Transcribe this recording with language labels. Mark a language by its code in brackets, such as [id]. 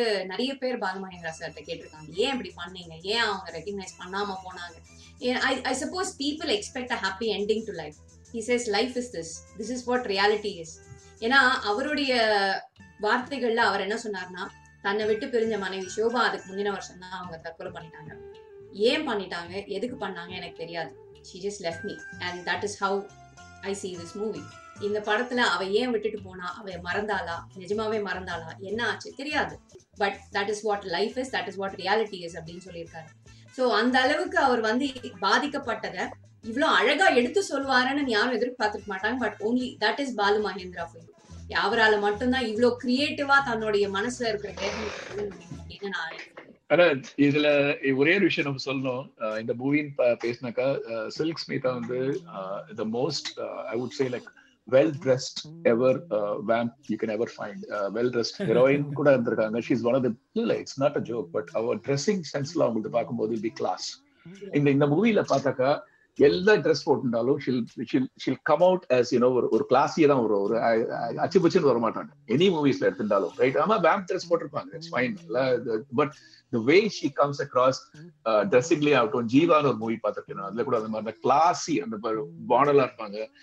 [ta] நிறைய பேர் பாலமகேந்திரா சார் கேட்டிருக்காங்க ஏன் இப்படி பண்ணீங்க, ஏன் அவங்க ரெகனைஸ் பண்ணாம போனாங்க. [en] I suppose people expect a happy ending to life. He says life is this is what reality is. [ta] ஏன்னா அவருடைய வார்த்தைகள்ல அவர் என்ன சொன்னார்னா, தன்னை விட்டு பிரிஞ்ச மனைவி சோபா அதுக்கு முந்தின வருஷம் தான் அவங்க தற்கொலை பண்ணிட்டாங்க. ஏன் பண்ணிட்டாங்க, எதுக்கு பண்ணாங்க எனக்கு தெரியாது. [en] She just left me and that is how I see this movie. [ta] இந்த படத்துல அவ ஏன் விட்டுட்டு போனா, அவ மறந்தாளா, நிஜமாவே மறந்தாளா, என்ன ஆச்சு தெரியாது. [en] but that is what life is, that is what reality is [ta] அப்படின்னு சொல்லியிருக்காரு. ஸோ அந்த அளவுக்கு அவர் வந்து பாதிக்கப்பட்டதை இவ்வளவு அழகா எடுத்து சொல்வாருன்னு யாரும் எதிர்பார்த்துக்க மாட்டாங்க. [en] but only that is [ta] Balu Mahindra feel. அவரால் மட்டும்தான் இவ்வளவு கிரியேட்டிவா தன்னுடைய மனசுல இருக்கிற வேதனை. இதுல ஒரே ஒரு விஷயம் நம்ம சொல்லணும், இந்த மூவின்னு பேசினாக்கா சில்க் ஸ்மிதா வந்து [en] the most I would say like well dressed ever vamp you can ever find, well dressed heroine [ta] kuda irundirukanga. [en] She is one of the like, it's not a joke, but our dressing sense [ta] la avangalukku paakumbodhu [en] will be class. In the movie [ta] la paathaka எல்லா dress போட்டுட்டாலும் [en] shall come out as you know [ta] ஒரு கிளாஸியே தான் வரும். ஒரு அச்சு பச்சுன்னு வரமாட்டாங்க any மூவிஸ்ல எடுத்துட்டாலும் right. ஆமா வேம்ப் dress போட்டிருப்பாங்க, [en] but the way she comes across [ta] ட்ரெஸ்ஸிங்லி ஆகட்டும். ஜீவான ஒரு மூவி பார்த்துருக்கேன் அதுல கூட அந்த மாதிரி அந்த கிளாஸி அந்த மாடலா இருப்பாங்க.